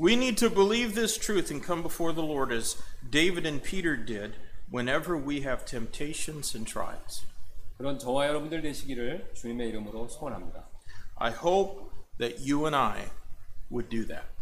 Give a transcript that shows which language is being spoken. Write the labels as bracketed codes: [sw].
[en] We need to believe this truth and come before the Lord as David and Peter did whenever we have temptations and trials. [ko] 그런 저와 여러분들 되시기를 주님의 이름으로 소원합니다. [en] I hope that you and I would do that.